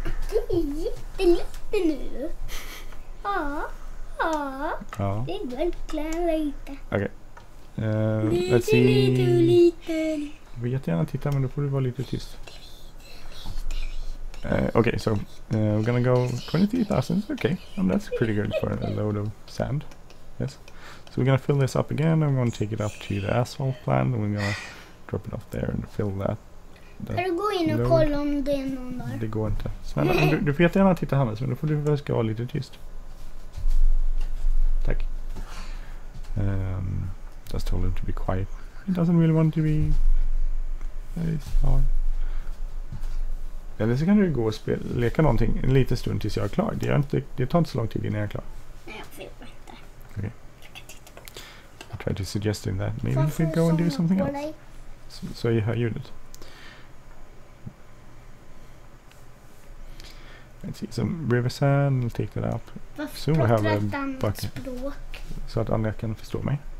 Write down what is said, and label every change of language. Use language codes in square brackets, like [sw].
[sv] Du är jätteliten nu. Ja. Ja. Ja, det är väldigt klän lite. Okej. Okay. Lite. Jag vill jättegärna titta, men då får du vara lite tyst. Okej, så. [en] We're gonna go 23,000. Okay, and that's pretty good for a load of sand. Yes. So we're gonna fill this up again, and we're gonna take it up to the asphalt plant, and we're gonna drop it off there and fill that. [sv] Kan du gå in och kolla om det är någon där? Det går inte. Men du får jättegärna titta, Hannes, men då får du ska vara lite tyst. Tack. [en] Just told him to be quiet. He doesn't really want to be. Very smart. [sv] Eller så kan du gå och leka någonting en liten stund tills jag är klar. Det tar inte så lång tid innan jag är klar. Nej, jag vill inte. [en] Okay. I tried to suggest him that. Maybe we could go and do something else. [sv] Så jag hör ljudet. [en] Let's see some Riversand, we'll take that up. So we have a bucket. So that Anja can understand me.